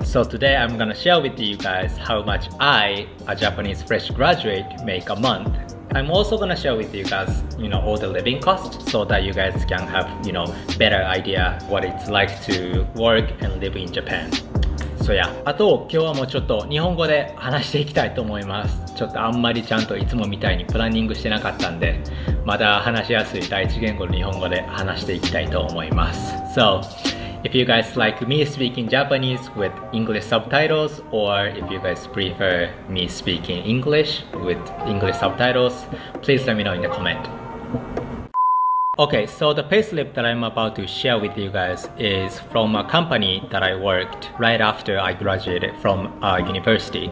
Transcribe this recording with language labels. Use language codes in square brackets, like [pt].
[en] So today I'm gonna share with you guys how much I, a Japanese fresh graduate, make a month. I'm also gonna share with you guys, you know, all the living costs so that you guys can have, you know, better idea what it's like to work and live in Japan. So yeah. [ja] あと今日はもうちょっと日本語で話していきたいと思います。ちょっとあんまりちゃんといつもみたいにプランニングしてなかったんで、まだ話しやすい第一言語の日本語で話していきたいと思います。 [en] So, if you guys like me speaking Japanese with English subtitles, or if you guys prefer me speaking English with English subtitles, please let me know in the comment. Okay, so the payslip that I'm about to share with you guys is from a company that I worked right after I graduated from university.